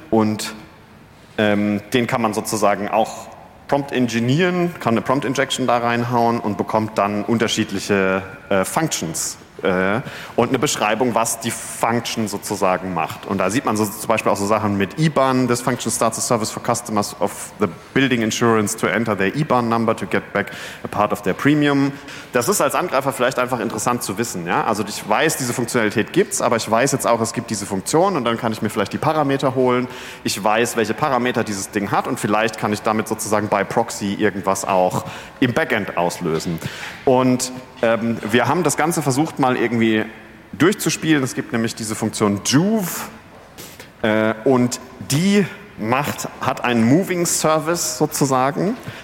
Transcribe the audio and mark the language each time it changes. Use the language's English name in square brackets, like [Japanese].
[German] Und den kann man sozusagen auch Prompt engineeren, kann eine Prompt Injection da reinhauen und bekommt dann unterschiedliche Functions Und eine Beschreibung, was die Function sozusagen macht. Und da sieht man so zum Beispiel auch so Sachen mit IBAN. [English] This function starts a service for customers of the building insurance to enter their IBAN number to get back a part of their premium. [German] Das ist als Angreifer vielleicht einfach interessant zu wissen. Ja? Also ich weiß, diese Funktionalität gibt's, aber ich weiß jetzt auch, es gibt diese Funktion und dann kann ich mir vielleicht die Parameter holen. Ich weiß, welche Parameter dieses Ding hat und vielleicht kann ich damit sozusagen by proxy irgendwas auch im Backend auslösen. Und wir haben das Ganze versucht, mal irgendwie durchzuspielen. Es gibt nämlich diese Funktion Joove und die hat einen Moving Service sozusagen.